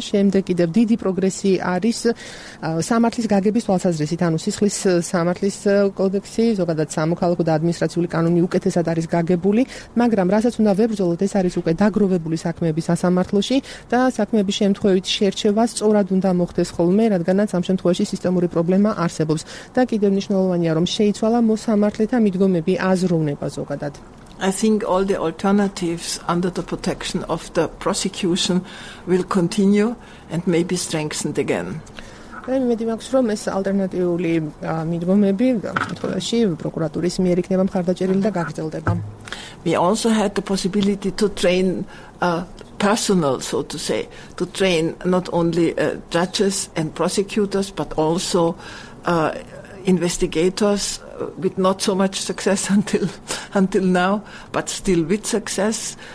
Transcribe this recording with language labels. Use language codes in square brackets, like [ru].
[ka] შემდეგ კიდევ დიდი პროგრესი არის სამართლის გაგების თვალსაზრისით, ანუ სისხლის სამართლის კოდექსი, ზოგადად სამოქალაქო და ადმინისტრაციული კანონი უკეთესად არის გაგებული, მაგრამ რასაც უნდა ვებრძოლოთ, ეს არის უკვე დაგროვებული საქმეების სასამართლოში და საქმეების შემთხვევით შერჩევა სწორად უნდა მოხდეს ხოლმე, რადგანაც ამ შემთხვევაში სისტემური პრობლემა არსებობს. და კიდევ მნიშვნელოვანია, რომ შეიცვალა მოსამართლეთა მიდგომები, აზროვნება ზოგადად. [en] I think all the alternatives under the protection of the prosecution will continue and maybe strengthened again. [ka] მეტი მაქვს რომ ეს ალტერნატიული მიდგომები შემთხვევაში პროკურატურის მიერ იქნება მხარდაჭერილი და გაგრძელდება. [en] We also had the possibility to train personnel, so to say, to train not only judges and prosecutors but also investigators with not so much success until now, but still with success.